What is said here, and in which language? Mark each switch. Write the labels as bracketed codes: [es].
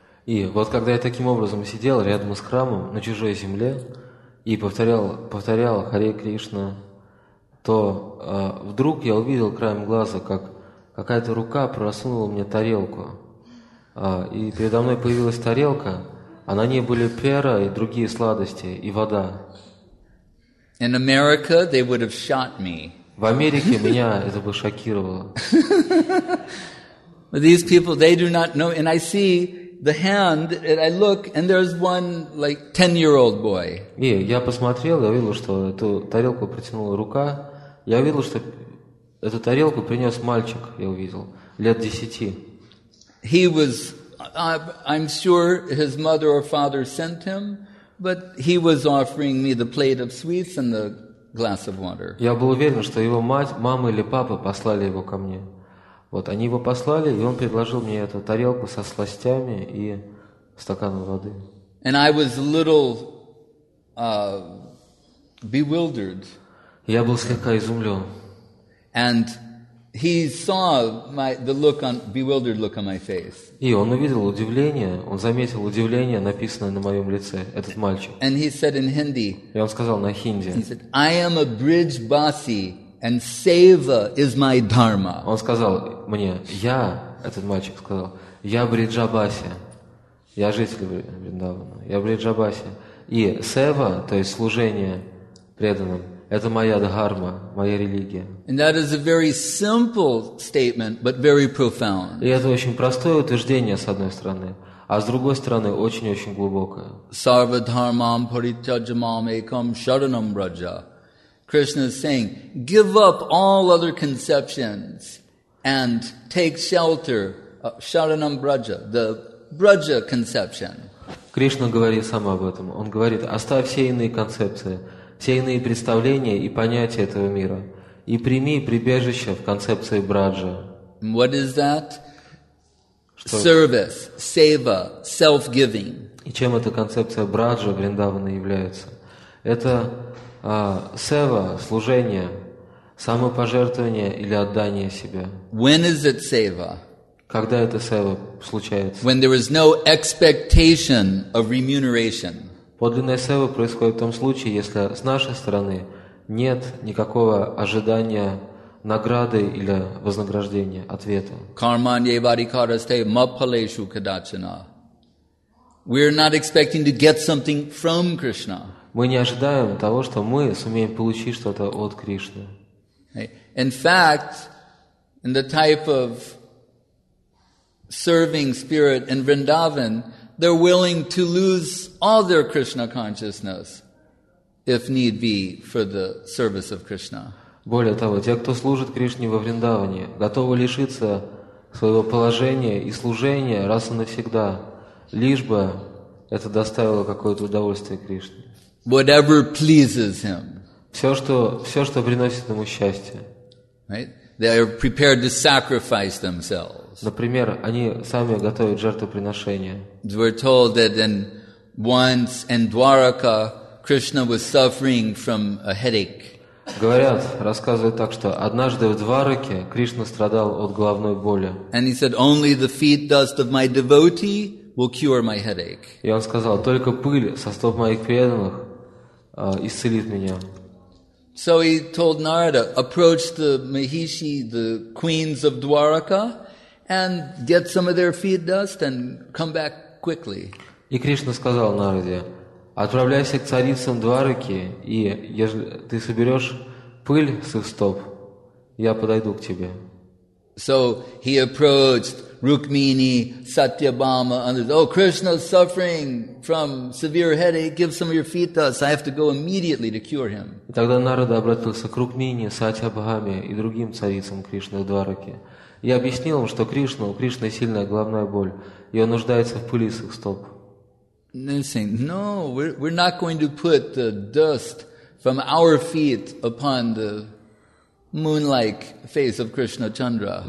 [ru] И вот когда я таким образом сидел рядом с храмом на чужой земле и повторял Харе Кришна, то вдруг я увидел краем глаза, как какая-то рука просунула мне тарелку. И передо мной появилась тарелка, а на ней были пера и другие сладости, и вода. [en] In America, they would have shot me. [ru] В Америке меня это бы шокировало. [en] But these people, they do not know. And I see the hand, and I look, and there's one like 10-year-old boy. [ru] И я посмотрел, я увидел, что эту тарелку протянула рука. Я увидел, что эту тарелку принес мальчик, я увидел, лет 10. [en] He was, I'm sure his mother or father sent him, but he was offering me the plate of sweets and the glass of water. [ru] Я был уверен, что его мать, мама или папа послали его ко мне. Вот, они его послали, и он предложил мне эту тарелку со сластями и стаканом воды. [en] And I was a little bewildered. [ru] Я был слегка изумлен. [en] And he saw the bewildered look on my face. [ru] И он увидел удивление, он заметил удивление, написанное на моем лице, этот мальчик. [en] And he said in Hindi. [ru] И он сказал на хинди. [en] He said, "I am a bridge basi, and seva is my dharma." [ru] Он сказал мне, я, этот мальчик сказал, я бриджабаси, я житель Вриндавана, я бриджабаси. И сева, то есть служение преданным, это моя дхарма, моя религия. [en] And that is a very simple statement, but very profound. [ru] И это очень простое утверждение, с одной стороны, а с другой стороны, очень-очень глубокое. [sa] Sarva dharmam parityajamam ekam sharanam braja. [en] Krishna is saying, give up all other conceptions and take shelter, [sa] sharanam braja, [en] the braja conception. [ru] Кришна говорит сам об этом. Он говорит, оставь все иные концепции, все иные представления и понятия этого мира. И прими прибежище в концепции Браджа. [en] What is that? [ru] Что? [en] Service, seva, self-giving. [ru] И чем эта концепция Браджа Вриндавана является? Это сева, служение, самопожертвование или отдание себя. [en] When is it seva? [ru] Когда это сева случается? [en] When there is no expectation of remuneration. [ru] Подлинная сева происходит в том случае, если с нашей стороны нет никакого ожидания награды или вознаграждения, ответа. [sa] Карманье варикарасте маппалешу кадачана. [en] We are not expecting to get something from Krishna. [ru] Мы не ожидаем того, что мы сумеем получить что-то от Кришны. [en] In fact, in the type of serving spirit in Vrindavan, they're willing to lose all their Krishna consciousness, if need be, for the service of Krishna. [ru] Более того, те, кто служит Кришне во Вриндаване, готовы лишиться своего положения и служения раз и навсегда, лишь бы это доставило какое-то удовольствие Кришне. [en] Whatever pleases him. [ru] Все, что приносит ему счастье. [en] Right? They are prepared to sacrifice themselves. [ru] Например, они сами готовят жертвоприношение. [en] We're told that once in Dwaraka, Krishna was suffering from a headache. [ru] Говорят, рассказывают так, что однажды в Двараке Кришна страдал от головной боли. [en] And he said, only the feet dust of my devotee will cure my headache. [ru] И он сказал, только пыль со стоп моих преданных исцелит меня. [en] So he told Narada, approach the Mahishi, the queens of Dwaraka, and get some of their feet dust and come back quickly. [ru] И Кришна сказал Нараде, отправляйся к царицам Двараки, и если ты соберешь пыль с их стоп, я подойду к тебе. [en] So he approached Rukmini, Satyabhama, and said, oh, Krishna's suffering from severe headache, give some of your feet dust, I have to go immediately to cure him. [ru] И тогда Нарада обратился к Рукмини, Сатьябхаме и другим царицам Кришны в Двараке. Я объяснил им, что Кришна, у Кришны сильная головная боль, и он нуждается в пыли с их стоп. [en] They're saying, no, we're not going to put the dust from our feet upon the moon-like face of Krishna Chandra.